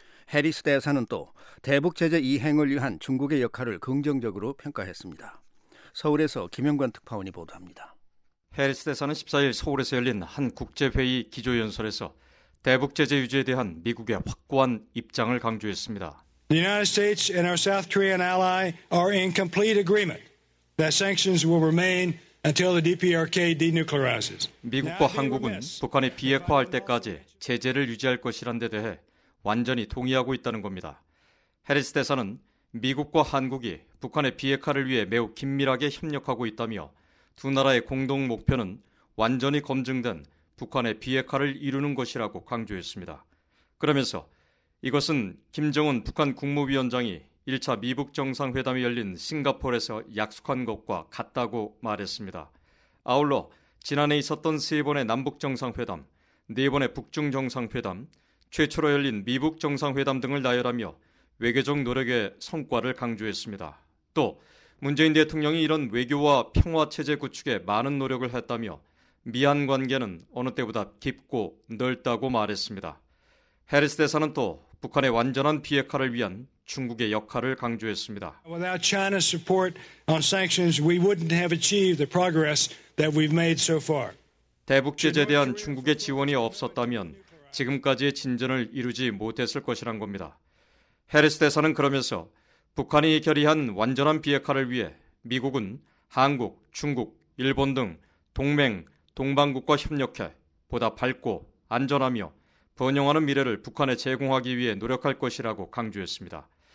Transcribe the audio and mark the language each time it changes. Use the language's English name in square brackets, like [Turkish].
[Korean] 해리스 대사는 또 대북 제재 이행을 위한 중국의 역할을 긍정적으로 평가했습니다. 서울에서 김영관 특파원이 보도합니다. 해리스 대사는 14일 서울에서 열린 한 국제회의 기조연설에서 대북 제재 유지에 대한 미국의 확고한 입장을 강조했습니다. [English] The United States and our South Korean ally are in complete agreement that sanctions will remain until the DPRK denuclearizes. [Korean] 미국과 한국은 북한이 비핵화할 때까지 제재를 유지할 것이란 데 대해 완전히 동의하고 있다는 겁니다. 해리스 대사는 미국과 한국이 북한의 비핵화를 위해 매우 긴밀하게 협력하고 있다며 두 나라의 공동 목표는 완전히 검증된 북한의 비핵화를 이루는 것이라고 강조했습니다. 그러면서 이것은 김정은 북한 국무위원장이 1차 미북 정상회담이 열린 싱가포르에서 약속한 것과 같다고 말했습니다. 아울러 지난해 있었던 세 번의 남북 정상회담, 네 번의 북중 정상회담, 최초로 열린 미북 정상회담 등을 나열하며 외교적 노력의 성과를 강조했습니다. 또 문재인 대통령이 이런 외교와 평화체제 구축에 많은 노력을 했다며 미한 관계는 어느 때보다 깊고 넓다고 말했습니다. 해리스 대사는 또 북한의 완전한 비핵화를 위한 중국의 역할을 강조했습니다. [English] Without China's support on sanctions, we wouldn't have achieved the progress that we've made so far. [Korean] 대북 제재에 대한 중국의 지원이 없었다면 지금까지의 진전을 이루지 못했을 것이란 겁니다. 해리스 대사는 그러면서 북한이 결의한 완전한 비핵화를 위해 미국은 한국, 중국, 일본 등 동맹, 동방국과 협력해 보다 밝고 안전하며 번영하는 미래를 북한에 제공하기 위해 노력할 것이라고 강조했습니다.